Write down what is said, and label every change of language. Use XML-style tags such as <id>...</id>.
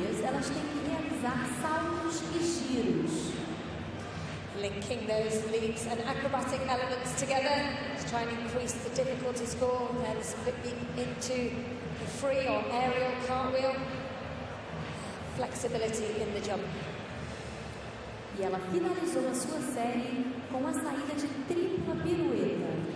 <pt>Elas têm que realizar saltos e giros.</pt> <en>linking those leaps and acrobatic elements together to try and increase the difficulty score. Then slipping into the free or aerial cartwheel. Flexibility in the jump.</en> <pt>E ela finalizou a sua série com a saída de tripla pirueta.</pt>